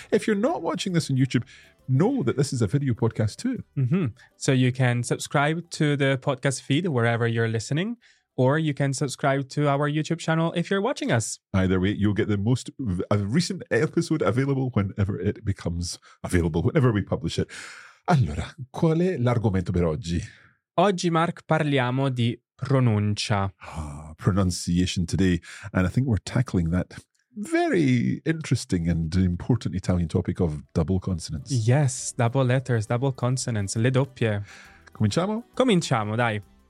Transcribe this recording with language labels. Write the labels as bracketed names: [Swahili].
[English] If you're not watching this on YouTube, know that this is a video podcast too. Mm-hmm. So you can subscribe to the podcast feed wherever you're listening, or you can subscribe to our YouTube channel if you're watching us. Either way, you'll get the most recent episode available whenever it becomes available, whenever we publish it. [Italian] Allora, qual è l'argomento per oggi? Oggi, Mark, parliamo di pronuncia. [English] Pronunciation today. And I think we're tackling that very interesting and important Italian topic of double consonants. Yes, double letters, double consonants, le doppie. [Italian] Cominciamo? Cominciamo, dai.